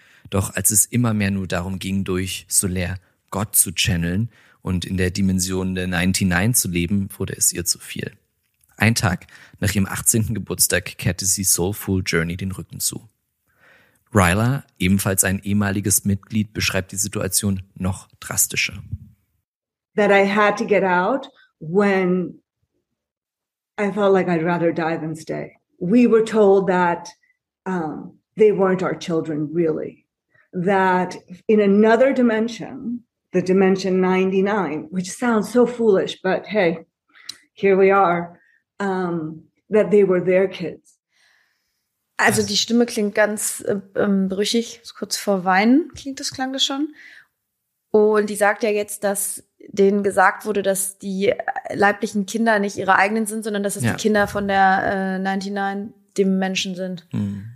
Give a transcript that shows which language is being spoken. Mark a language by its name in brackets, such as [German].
[German] Doch als es immer mehr nur darum ging, durch Soler Gott zu channeln und in der Dimension der 99 zu leben, wurde es ihr zu viel. Ein Tag nach ihrem 18. Geburtstag kehrte sie Soulful Journey den Rücken zu. Ryla, ebenfalls ein ehemaliges Mitglied, beschreibt die Situation noch drastischer. [English] That I had to get out when I felt like I'd rather die than stay. We were told that they weren't our children really. That in another dimension, the dimension 99, which sounds so foolish, but hey, here we are, that they were their kids. [German] Also die Stimme klingt ganz brüchig, kurz vor Weinen klang das schon. Und die sagt ja jetzt, dass denen gesagt wurde, dass die leiblichen Kinder nicht ihre eigenen sind, sondern dass es die Kinder von der 99 dem Menschen sind. Hm.